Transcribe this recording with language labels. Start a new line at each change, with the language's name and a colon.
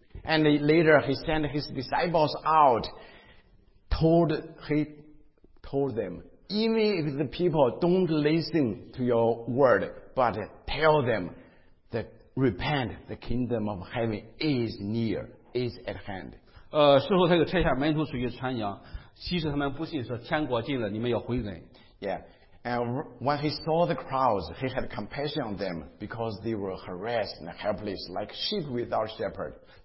English: And later, he sent his disciples out, told them, even if the people don't listen to your word, but tell them that repent, the kingdom of heaven is near, is at hand.
Chinese: 事后他又拆下门徒出去传扬, 其实他们不信说天国近了,你们要悔改。
English: Yeah. And when he saw the crowds, he had compassion on them because they were harassed and helpless like sheep without shepherd.